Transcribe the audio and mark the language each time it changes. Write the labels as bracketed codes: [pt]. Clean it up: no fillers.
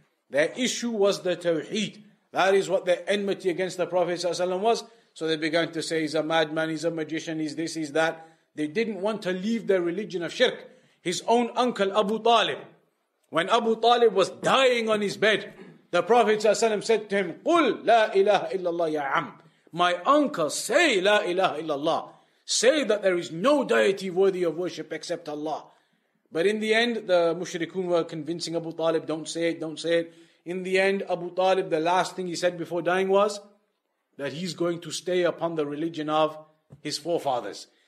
[en] Their issue was the Tawheed. That is what their enmity against the Prophet ﷺ was. So they began to say, he's a madman, he's a magician, he's this, he's that. They didn't want to leave their religion of shirk. His own uncle, Abu Talib. When Abu Talib was dying on his bed, the Prophet ﷺ said to him, [ar] قُلْ لَا إِلَهَ إِلَّا اللَّهِ يَا عَمْ. [en] My uncle, say [ar] لَا إِلَهَ إِلَّا اللَّهِ. [en] Say that there is no deity worthy of worship except Allah. But in the end, the mushrikun were convincing Abu Talib, don't say it, don't say it. In the end, Abu Talib, the last thing he said before dying was that he's going to stay upon the religion of his forefathers.